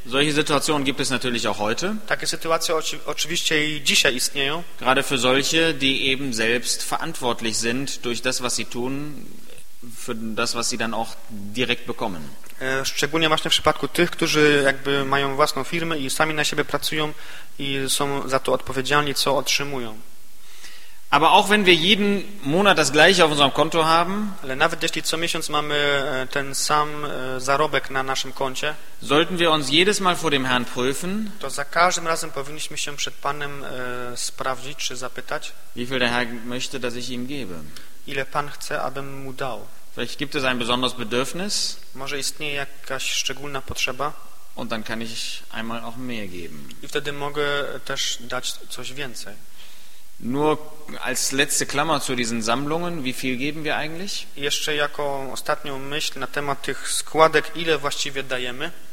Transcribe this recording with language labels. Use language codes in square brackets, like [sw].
[de] Solche Situationen gibt es natürlich auch heute. [pl] Takie sytuacje oczywiście i dzisiaj istnieją. [de] Gerade für solche, die eben selbst verantwortlich sind durch das, was sie tun, für das, was sie dann auch direkt bekommen. [pl] Szczególnie właśnie w przypadku tych, którzy jakby mają własną firmę i sami na siebie pracują i są za to odpowiedzialni, co otrzymują. [de] Aber auch wenn wir jeden Monat das gleiche auf unserem Konto haben, [pl] ale nawet jeśli co miesiąc mamy ten sam zarobek na naszym koncie, [de] sollten wir uns jedes Mal vor dem Herrn prüfen, [pl] to za każdym razem powinniśmy się przed Panem sprawdzić czy zapytać, [de] wie viel der Herr möchte, dass ich ihm gebe. [pl] Ile Pan chce, abym mu dał. [de] Vielleicht gibt es ein besonderes Bedürfnis, [pl] może istnieje jakaś szczególna potrzeba, [de] und dann kann ich einmal auch mehr geben. [pl] I wtedy mogę też dać coś więcej. [de] Nur als letzte Klammer zu diesen Sammlungen, wie viel geben wir eigentlich? [pl] Jeszcze jako ostatnią myśl na temat tych składek, ile właściwie dajemy?